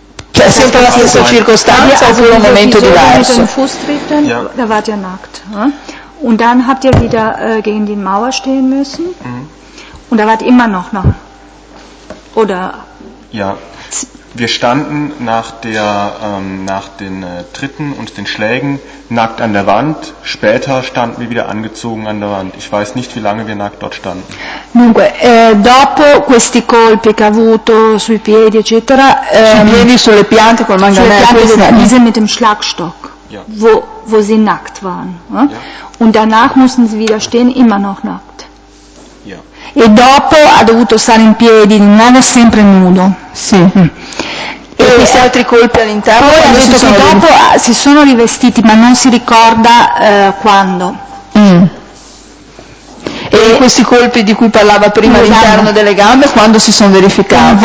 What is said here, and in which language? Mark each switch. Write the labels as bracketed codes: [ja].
[it] Cioè sempre la stessa circostanza o in un momento diverso? [de] Fußtritten, da wart ihr nackt. Und dann habt ihr wieder gegen die Mauer stehen müssen. Und da wart immer noch nackt. Oder? Ja. Wir standen nach den Tritten und den Schlägen nackt an der Wand. Später standen wir wieder angezogen an der Wand. Ich weiß nicht, wie lange wir nackt dort standen. [it] Dunque, dopo questi colpi che ha avuto sui piedi, eccetera, sui piedi, sulle piante col manganello, [de] diese mit dem Schlagstock, wo sie nackt waren. Und danach mussten sie wieder stehen, immer noch nackt. Ja. [it] E dopo ha dovuto stare in piedi, non è sempre nudo. Sì. E questi altri colpi all'interno? Poi detto che dopo si sono rivestiti, ma non si ricorda quando. E questi colpi di cui parlava prima all'interno delle gambe, quando si sono verificati?